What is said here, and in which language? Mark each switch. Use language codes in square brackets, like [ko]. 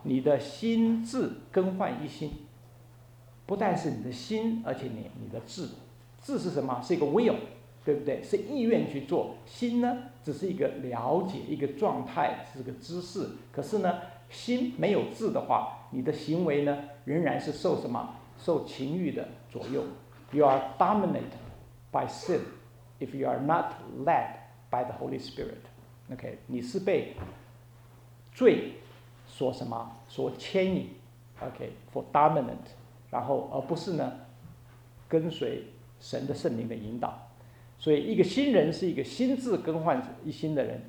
[zh] 你的心智更换一新，不但是你的心，而且 你的智是什么？是一个 will， 对不对？是意愿去做。心呢只是一个了解，一个状态，是个知识。可是呢心没有智的话，你的行为呢仍然是受什么？受情欲的左右。 [en] You are dominated by sin if you are not led by the Holy Spirit。 [zh] OK， 你是被罪所什么所牵引， OK， [en] for dominant， [zh] 然后而不是呢跟随神的圣灵的引导。所以一个新人是一个心智更换一新的人。